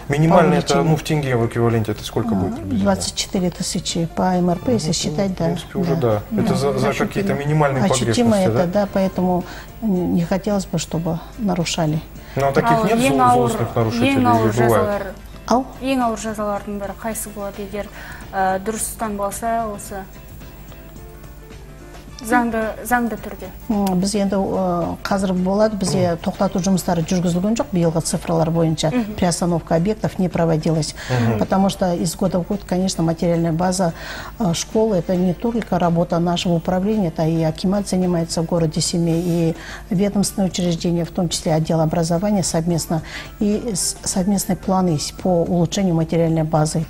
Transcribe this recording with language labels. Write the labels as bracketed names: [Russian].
[Russian] Минимально это в тенге в эквиваленте, это сколько будет? 24 тысячи по МРП, если считать. В принципе, уже да. Это за какие-то минимальные погрешности, да? Ощутимо это, да, поэтому не хотелось бы, чтобы нарушали. Ну, а таких нет злостных нарушителей, бывает? [Kazakh] Ал? Ең ауыр жазалардың бірі қайсы болады, егер дұрыс ұстанбаса осы заңды түрде? Біз енді қазір болады, бізге тоқтату жұмыстары жүргізілген жоқ, биылғы цифралар бойынша [Russian] приостановка объектов не проводилась. Потому что из года в год, конечно, материальная база школы, это не только работа нашего управления, это и акимат занимается в городе Семей, и ведомственные учреждения, в том числе отдел образования совместно, и совместные планы по улучшению материальной базы.